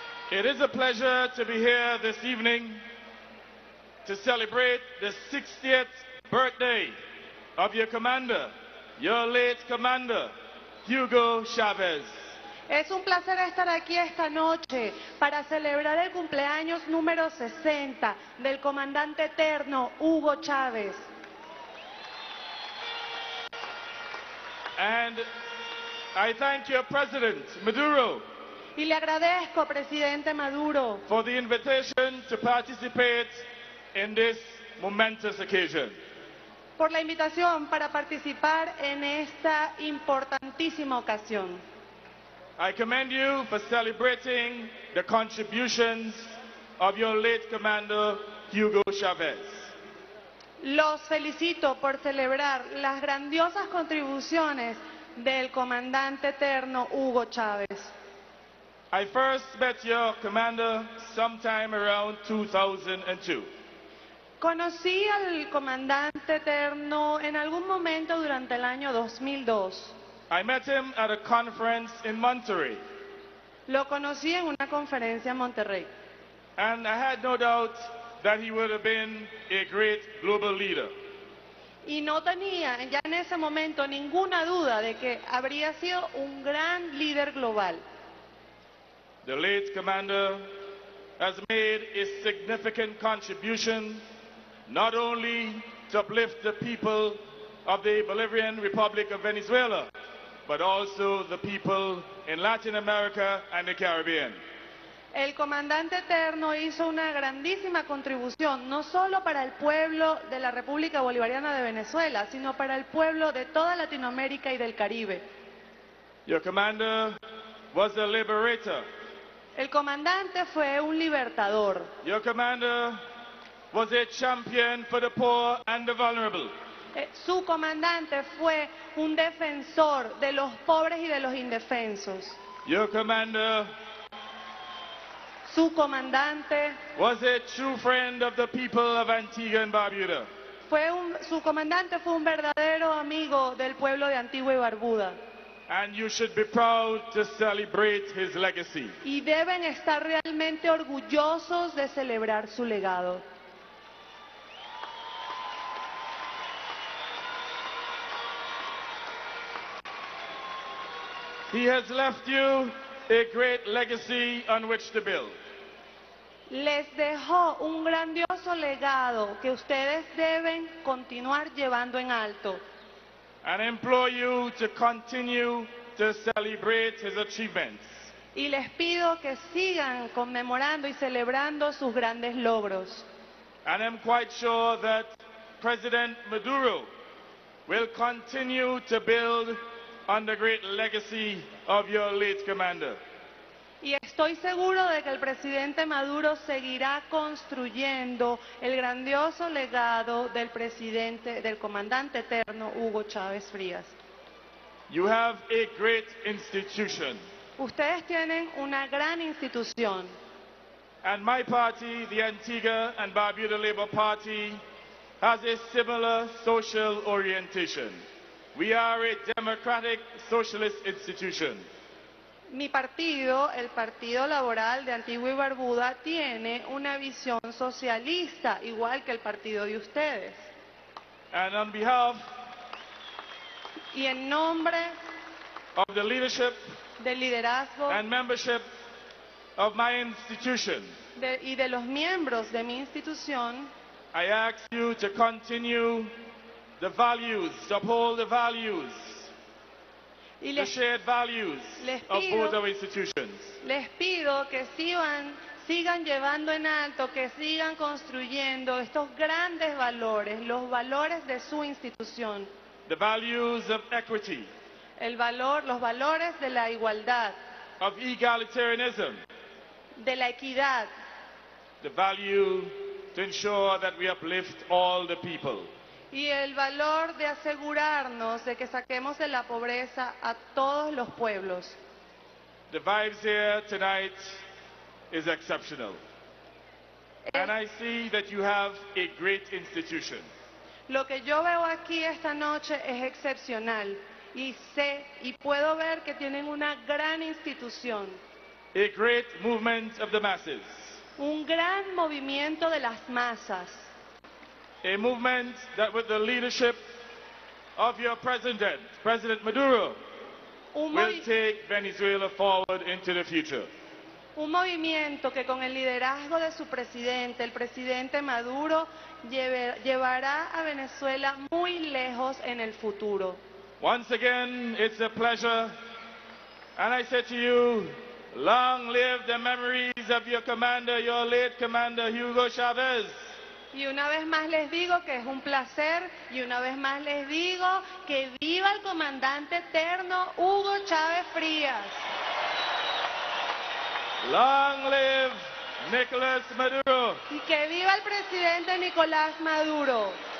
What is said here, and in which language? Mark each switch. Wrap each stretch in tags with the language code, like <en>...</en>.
<en>It is a pleasure to be here this evening to celebrate the 60th birthday of your commander, your late commander, Hugo Chávez.</en> <es>Es un placer estar aquí esta noche para celebrar el cumpleaños número 60 del comandante eterno Hugo Chávez.</es> <en>And I thank your president, Maduro.</en> <es>Y le agradezco, presidente Maduro,</es> <en>for the invitation to participate in this momentous occasion.</en> <es>Por la invitación para participar en esta importantísima ocasión.</es> <en>I commend you for celebrating the contributions of your late commander Hugo Chávez.</en> <es>Los felicito por celebrar las grandiosas contribuciones del comandante eterno Hugo Chávez.</es> <en>I first met your commander sometime around 2002.</en> <es>Conocí al comandante eterno en algún momento durante el año 2002.</es> <en>I met him at a conference in Monterrey.</en> <es>Lo conocí en una conferencia en Monterrey.</es> <en>And I had no doubt that he would have been a great global leader.</en> <es>Y no tenía ya en ese momento ninguna duda de que habría sido un gran líder global.</es> <en>The late commander has made a significant contribution not only to uplift the people of the Bolivarian Republic of Venezuela, but also the people in Latin America and the Caribbean.</en> <es>El comandante eterno hizo una grandísima contribución no solo para el pueblo de la República Bolivariana de Venezuela, sino para el pueblo de toda Latinoamérica y del Caribe.</es> <en>Your commander was a liberator.</en> <es>El comandante fue un libertador.</es> <en>Your commander was a champion for the poor and the vulnerable.</en> <es>Su comandante fue un defensor de los pobres y de los indefensos.</es> <en>Your commander</en> <es>su comandante.</es> <en>Was a true friend of the people of Antigua and Barbuda.</en> <es>Su comandante fue un verdadero amigo del pueblo de Antigua y Barbuda.</es> <en>And you should be proud to celebrate his legacy.</en> <es>Y deben estar realmente orgullosos de celebrar su legado.</es> <en>He has left you a great legacy on which to build.</en> <es>Les dejó un grandioso legado que ustedes deben continuar llevando en alto.</es> <en>And implore you to continue to celebrate his achievements.</en> <es>Y les pido que sigan conmemorando y celebrando sus grandes logros.</es> <en>And I'm quite sure that President Maduro will continue to build on the great legacy of your late commander.</en> <es>Y estoy seguro de que el presidente Maduro seguirá construyendo el grandioso legado del presidente, del comandante eterno Hugo Chávez Frías.</es> <en>You have a great institution.</en> <es>Ustedes tienen una gran institución.</es> <en>And my party, the Antigua and Barbuda Labour Party, has a similar social orientation. We are a democratic socialist institution.</en> <es>Mi partido, el Partido Laboral de Antigua y Barbuda, tiene una visión socialista, igual que el partido de ustedes.</es> <en>And on behalf</en> <es>y en nombre</es> <en>of the leadership</en> <es>del liderazgo</es> <en>and membership of my institution,</en> <es>y de los miembros de mi institución,</es> <en>I ask you to continue the values, to uphold the values.</en> <es>Y les,</es> <en>the shared values</en> <es>les pido,</es> <en>of both our institutions.</en> <es>Les pido que sigan llevando en alto, que sigan construyendo estos grandes valores, los valores de su institución.</es> <en>The values of equity.</en> <es>El valor, los valores de la igualdad.</es> <en>Of egalitarianism.</en> <es>De la equidad.</es> <en>The value to ensure that we uplift all the people.</en> <es>Y el valor de asegurarnos de que saquemos de la pobreza a todos los pueblos.</es> <en>The vibes here tonight is exceptional. And I see that you have a great institution.</en> <es>Lo que yo veo aquí esta noche es excepcional. Y sé y puedo ver que tienen una gran institución.</es> <en>A great movement of the masses.</en> <es>Un gran movimiento de las masas.</es> <en>A movement that with the leadership of your president, President Maduro, will take Venezuela forward into the future.</en> <es>Un movimiento que con el liderazgo de su presidente, el presidente Maduro, llevará a Venezuela muy lejos en el futuro.</es> <en>Once again, it's a pleasure, and I say to you, long live the memories of your commander, your late commander, Hugo Chavez.</en> <es>Y una vez más les digo que es un placer, y una vez más les digo que viva el comandante eterno Hugo Chávez Frías.</es> <en>Long live Nicolás Maduro.</en> <es>Y que viva el presidente Nicolás Maduro.</es>